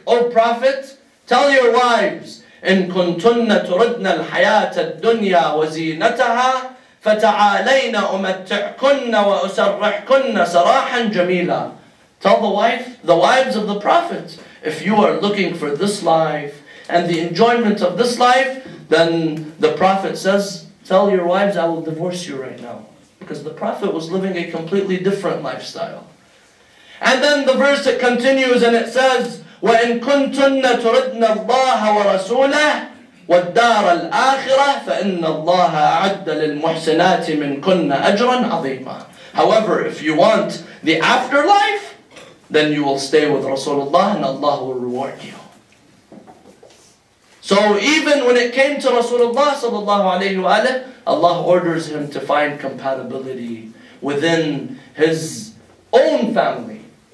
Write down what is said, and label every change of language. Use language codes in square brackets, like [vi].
[en] O Prophet, tell your wives, [ar] إن كنتن تردن الحياة الدنيا وزينتها فتعالين أمتعكن وأسرحكن سراحا جميلا. [en] Tell the wives of the Prophet, if you are looking for this life and the enjoyment of this life, then the Prophet says, tell your wives, I will divorce you right now. Because the Prophet was living a completely different lifestyle. And then the verse, it continues and it says, [ar] وَإِن كُنْتُنَّ تُرِدْنَ اللَّهَ وَرَسُولَهُ وَالدَّارَ الْآخِرَةِ فَإِنَّ اللَّهَ أَعَدَّ لِلْمُحْسِنَاتِ مِنْكُنَّ أَجْرًا عَظِيمًا. [en] However, if you want the afterlife, then you will stay with Rasulullah and Allah will reward you. So even when it came to Rasulullah sallallahu alayhi wa alayhi, Allah orders him to find compatibility within his own family.